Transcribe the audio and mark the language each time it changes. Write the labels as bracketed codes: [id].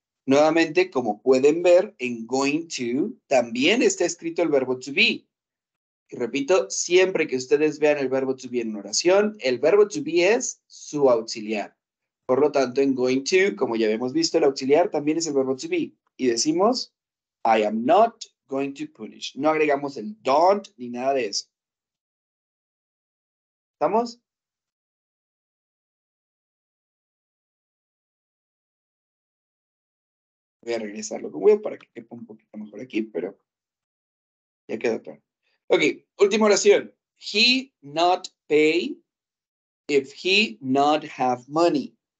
[es] Nuevamente, como pueden ver, en going to también está escrito el verbo to be. Y repito, siempre que ustedes vean el verbo to be en una oración, el verbo to be es su auxiliar. Por lo tanto, en going to, como ya habíamos visto, el auxiliar también es el verbo to be. Y decimos, [en] I am not going to punish. [es] No agregamos el don't ni nada de eso. ¿Estamos? Voy a regresarlo con Will para que quepa un poquito mejor aquí, pero ya quedó claro. Ok, última oración. [en] He not pay if he not have money.